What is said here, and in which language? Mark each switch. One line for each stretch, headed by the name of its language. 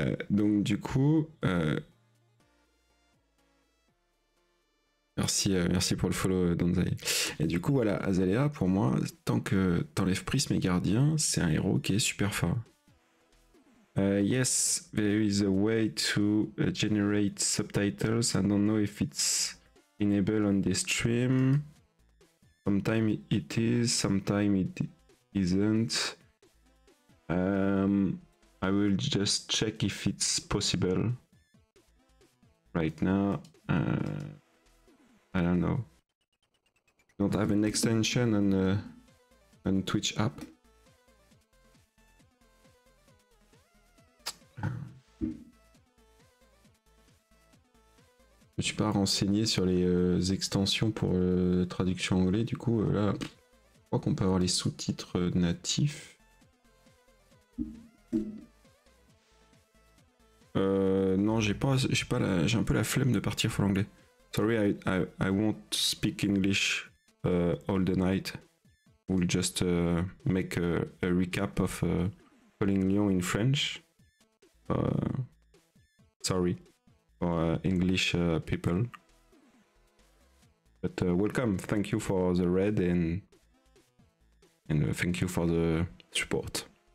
French: Donc du coup... merci pour le follow, Danzai. Et du coup, voilà, Azalea, pour moi, tant que t'enlèves Prisme et Gardien, c'est un héros qui est super fort.
English: Yes, there is a way to generate subtitles. I don't know if it's enabled on the stream. Sometimes it is, sometimes it isn't. I will just check if it's possible right now. I don't know. Don't have an extension on Twitch app.
French: Je ne suis pas renseigné sur les extensions pour traduction anglais, du coup là, je crois qu'on peut avoir les sous-titres natifs. Non, j'ai un peu la flemme de partir pour l'anglais.
English: Sorry, I won't speak English all the night. We'll just make a recap of calling Lyon in French. Sorry for English people. But welcome, thank you for the raid and thank you for the support.